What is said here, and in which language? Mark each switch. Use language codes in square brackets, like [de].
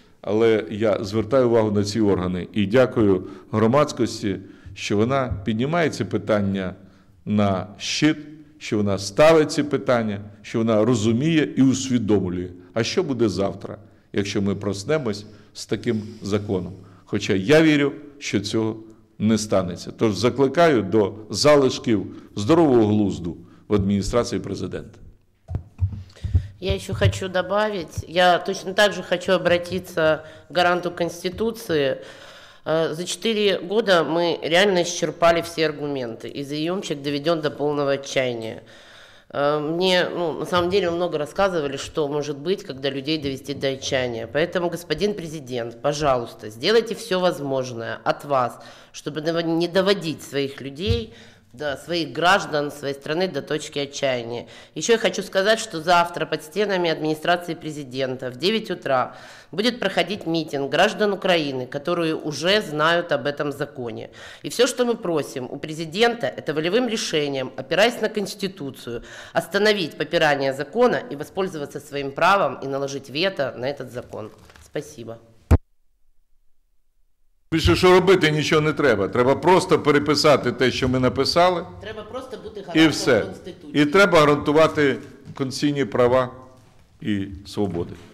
[uk] Але я звертаю увагу на ці органи і дякую громадськості, що вона піднімає ці питання на щит, що вона ставить ці питання, що вона розуміє і усвідомлює. А що буде завтра, якщо ми проснемось з таким законом? Хоча я вірю, що цього не станеться. Тож закликаю до залишків здорового глузду в адміністрації президента. [ru] Я еще хочу добавить, я точно так же хочу обратиться к гаранту Конституции. За 4 года мы реально исчерпали все аргументы, и заемщик доведен до полного отчаяния. Мне, ну, на самом деле, много рассказывали, что может быть, когда людей довести до отчаяния. Поэтому, господин президент, пожалуйста, сделайте все возможное от вас, чтобы не доводить своих людей, да, своих граждан, своей страны до точки отчаяния. Еще я хочу сказать, что завтра под стенами администрации президента в 9 утра будет проходить митинг граждан Украины, которые уже знают об этом законе. И все, что мы просим у президента, это волевым решением, опираясь на Конституцию, остановить попирание закона и воспользоваться своим правом и наложить вето на этот закон. Спасибо. [uk] Більше що робити, нічого не треба. Треба просто переписати те, що ми написали. Треба просто бути гарантом і все. Конституції. І треба гарантувати конституційні права і свободи.